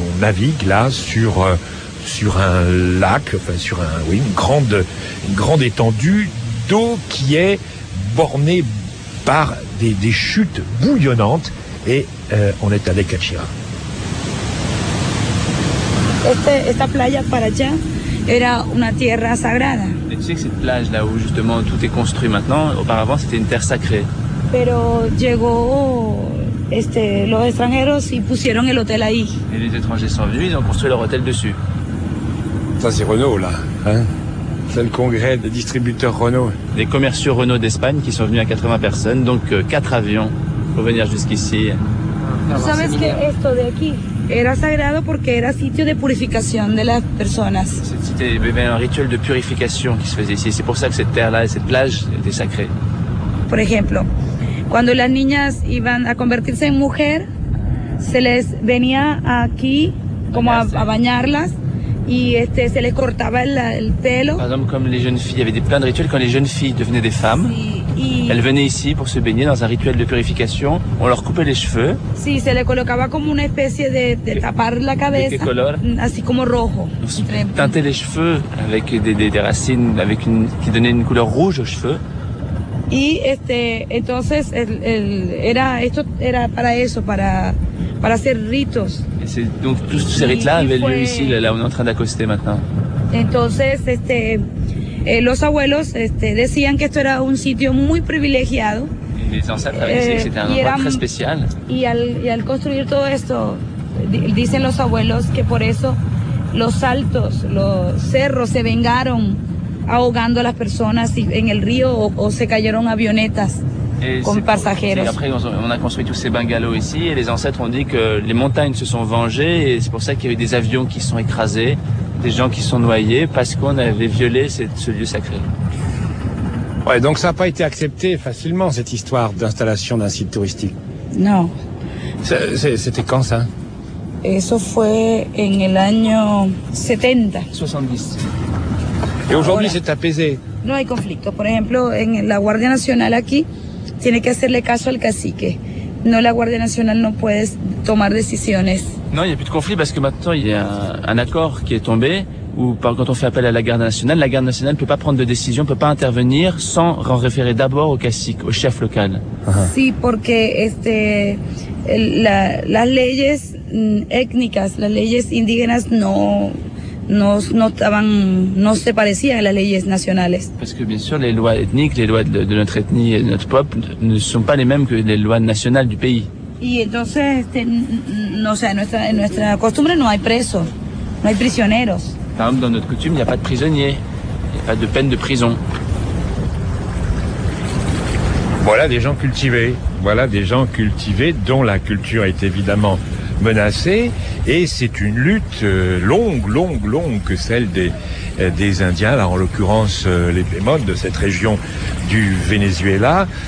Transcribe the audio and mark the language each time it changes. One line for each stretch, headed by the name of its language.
French: On navigue là sur un lac, enfin, une grande étendue d'eau qui est bornée par des chutes bouillonnantes, et on est allé à Cachira.
Spanish: Esta playa para allá era una tierra sagrada.
French: Mais tu sais que cette plage là où justement tout est construit maintenant, auparavant c'était une terre sacrée.
Spanish: Pero llegó los extranjeros y pusieron el hotel ahí.
French: Et les étrangers sont venus, ils ont construit leur hôtel dessus. Ça c'est Renault là, hein? C'est le congrès des distributeurs Renault. Des commerciaux Renault d'Espagne qui sont venus à 80 personnes, donc 4 avions pour venir jusqu'ici. Tu sais que
Spanish: esto de aquí era sagrado porque era sitio de purificación de las personas.
French: C'était un rituel de purification qui se faisait ici. C'est pour ça que cette terre-là et cette plage étaient sacrées.
Spanish: Por ejemplo, cuando las niñas iban a convertirse en mujer, se les venía aquí como a bañarlas y se les cortaba el pelo.
French: Par exemple, comme les jeunes filles, il y avait plein de rituels quand les jeunes filles devenaient des femmes. Elles venaient ici pour se baigner dans un rituel de purification. On leur coupait les cheveux.
Spanish: Si, se le colocaba como una especie de tapar la cabeza.
French: De quel
Spanish: color? Así como rojo.
French: Teintaient les cheveux avec des racines, avec qui donnaient une couleur rouge aux cheveux.
Spanish: Y entonces era para eso, para hacer ritos.
French: Et c'est donc tous ces rites-là avaient lieu ici. Là, on est en train d'accoster maintenant.
Spanish: Entonces los abuelos decían que esto era un sitio muy privilegiado.
French: Les ancêtres avaient dit que c'était un endroit très spécial.
Spanish: Y al construir todo esto, dicen los abuelos que por eso los saltos, los cerros se vengaron ahogando a las personas en el río o se cayeron avionetas con pasajeros.
French: Et après, on a construit tous ces bungalows ici, et les ancêtres ont dit que les montagnes se sont vengées, et c'est pour ça qu'il y a eu des avions qui sont écrasés, des gens qui sont noyés, parce qu'on avait violé ce lieu sacré. Ouais, donc ça n'a pas été accepté facilement, cette histoire d'installation d'un site touristique. Non. C'était quand, ça?
Spanish: Eso fue en el año 70.
French: Et aujourd'hui, c'est apaisé.
Spanish: No hay conflicto. Por ejemplo, en la Guardia Nacional aquí, tiene que hacerle caso al cacique. No, la Guardia Nacional no puede tomar decisiones.
French: Non, il n'y a plus de conflit parce que maintenant il y a un accord qui est tombé où quand on fait appel à la Garde nationale ne peut pas prendre de décision, ne peut pas intervenir sans en référer d'abord au cacique, au chef local.
Spanish: Sí, porque las leyes
French: étniques,
Spanish: las leyes indígenas no se parecían a las leyes nacionales.
French: Parce que bien sûr les lois ethniques, les lois de notre ethnie et de notre peuple ne sont pas les mêmes que les lois nationales du pays.
Spanish: Y entonces nuestra costumbre no hay presos, no hay prisioneros.
French: Par exemple, dans notre coutume, il n'y a pas de prisonniers, il n'y a pas de peine de prison. Voilà des gens cultivés dont la culture est évidemment menacée. Et c'est une lutte longue que celle des Indiens, là en l'occurrence les Pemones de cette région du Venezuela.